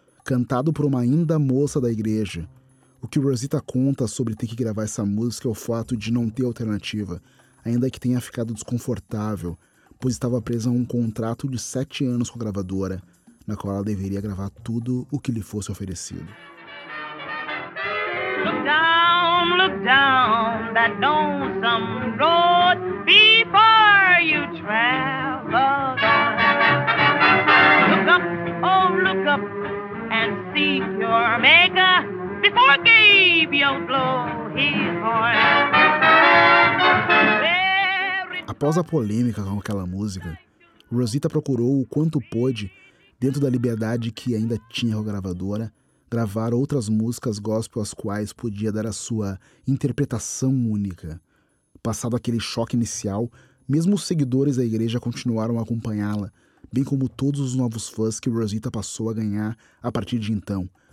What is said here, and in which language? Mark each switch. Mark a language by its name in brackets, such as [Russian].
[Portuguese] Cantado por uma ainda moça da igreja, o que Rosita conta sobre ter que gravar essa música é o fato de não ter alternativa, ainda que tenha ficado desconfortável, pois estava presa a um contrato de 7 anos com a gravadora, na qual ela deveria gravar tudo o que lhe fosse oferecido. [English] Look down that lonesome road before you travel down. Look up, oh look up, and seek your maker before Gabriel blow his horn. [Portuguese] Após a polêmica com aquela música, Rosita procurou o quanto pôde, dentro da liberdade que ainda tinha com a gravadora, gravar outras músicas gospel às quais podia dar a sua interpretação única. Passado aquele choque inicial, mesmo os seguidores da igreja continuaram a acompanhá-la, bem como todos os novos fãs que Rosita passou a ganhar a partir de então.